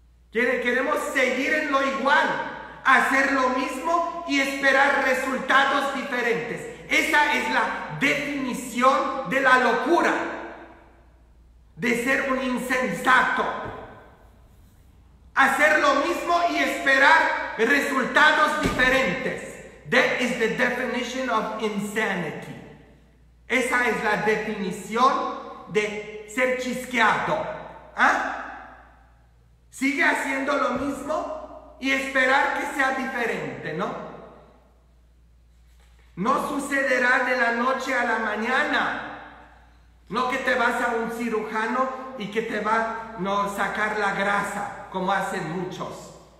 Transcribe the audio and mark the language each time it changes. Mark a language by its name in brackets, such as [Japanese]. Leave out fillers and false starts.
[Spanish] Queremos seguir en lo igual, hacer lo mismo y esperar resultados diferentes. Esa es la definición de la locura, de ser un insensato. Hacer lo mismo y esperar resultados diferentes. [English] That is the definition of insanity. [Spanish] Esa es la definición de ser chisqueado. ¿Ah? Sigue haciendo lo mismo y esperar que sea diferente, ¿no? No sucederá de la noche a la mañana. No que te vas a un cirujano y que te va a sacar la grasa, como hacen muchos.